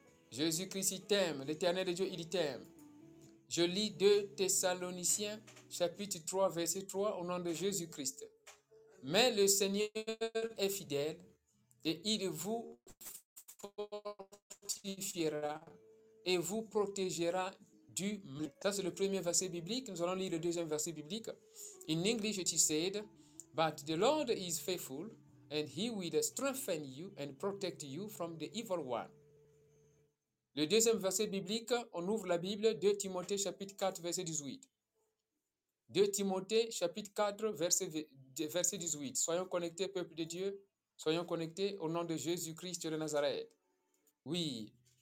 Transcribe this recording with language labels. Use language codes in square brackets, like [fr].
[fr] Jésus-Christ, il t'aime, l'éternel Dieu, il t'aime. Je lis 2 Thessaloniciens, chapitre 3, verset 3, au nom de Jésus-Christ. Mais le Seigneur est fidèle et il vous fortifiera et vous protégera. Ça, c'est le premier verset biblique. Nous allons lire le deuxième verset biblique. [en] In English, it is said, but the Lord is faithful, and he will strengthen you and protect you from the evil one. [fr] Le deuxième verset biblique, on ouvre la Bible, 2 Timothée, chapitre 4, verset 18. 2 Timothée, chapitre 4, verset 18. Soyons connectés, peuple de Dieu. Soyons connectés au nom de Jésus-Christ de Nazareth. Oui.